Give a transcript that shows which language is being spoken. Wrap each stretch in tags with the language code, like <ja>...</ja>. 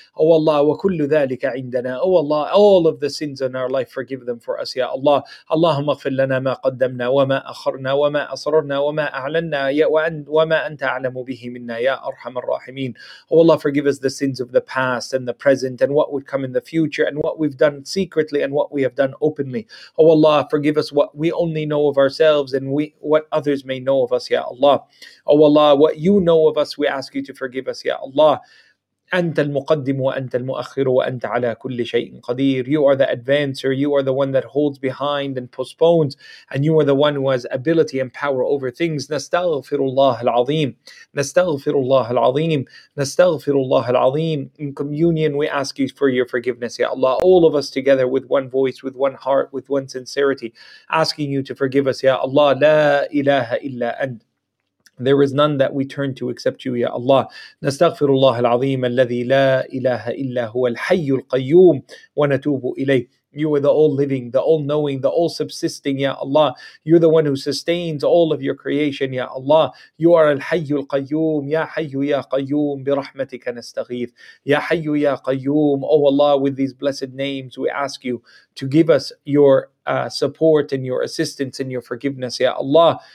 <ar>Oh Allah, وَكُلُّ ذَلِكَ عِنْدَنَا.</ar> <en>Oh Allah, all of the sins in our life, forgive them for us, Ya Allah.</en> <ar>اللهم اغفر لنا ما قدمنا وما أخرنا وما أسررنا وما أعلنا وما أنت أعلم به منا يا أرحم الراحمين.</ar> <en>Oh Allah, forgive us the sins of the past and the present and what would come in the future and what we've done secretly and what we have done openly. Oh Allah, forgive us what we only know of ourselves and what others may know of us, Ya Allah. Oh Allah, what you know of us, we ask you to forgive us, Ya Allah.</en> <ar>أنت المقدم وأنت المؤخر وأنت على كل شيء قدير.</ar> <en>You are the advancer, you are the one that holds behind and postpones, and you are the one who has ability and power over things.</en> <ar>نستغفر الله العظيم, نستغفر الله العظيم, نستغفر الله العظيم.</ar> <en>In communion we ask you for your forgiveness, Ya Allah. All of us together with one voice, with one heart, with one sincerity, asking you to forgive us, Ya Allah.</en> <ar>لا إله إلا أنت.</ar> <en>There is none that we turn to except you, Ya Allah.</en> <ar>نستغفر الله العظيم الذي لا إله إلا هو الحي القيوم ونتوب إليه.</ar> <en>You are the all-living, the all-knowing, the all-subsisting, Ya Allah. You're the one who sustains all of your creation, Ya Allah. You are al-hayyul qayyum,</en> <ar>Ya Hayyu Ya Qayyum, bi rahmatika nastaghith.</ar> <en>Ya Hayyu Ya Qayyum, O Allah, with these blessed names, we ask you to give us your support and your assistance and your forgiveness, Ya Allah.</en>